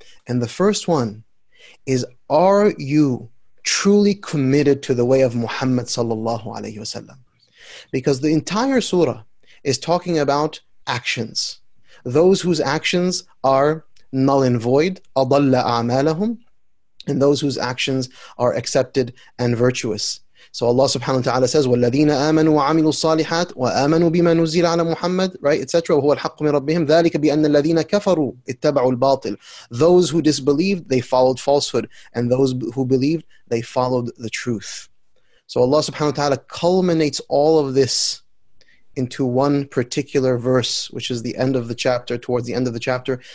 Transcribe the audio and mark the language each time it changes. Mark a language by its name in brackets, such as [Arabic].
[English] And the first one is, are you truly committed to the way of Muhammad sallallahu alayhi wasallam? Because the entire surah is talking about actions. Those whose actions are null and void, [Arabic] أَضَلَّ أَعْمَالَهُمْ, [English] and those whose actions are accepted and virtuous. So Allah subhanahu wa ta'ala says, [Arabic] وَالَّذِينَ آمَنُوا وَعَمِلُوا الصَّالِحَاتِ وَآمَنُوا بِمَا نُزِّلَ عَلَى مُحَمَّدٍ, [English] right, etc. [Arabic] وَهُوَ الْحَقُّ مِنْ رَبِّهِمْ ذَلِكَ بِأَنَّ الَّذِينَ كَفَرُوا اتَّبَعُوا الْبَاطِلِ. [English] Those who disbelieved, they followed falsehood. And those who believed, they followed the truth. So Allah subhanahu wa ta'ala culminates all of this into one particular verse, which is the end of the chapter, towards the end of the chapter.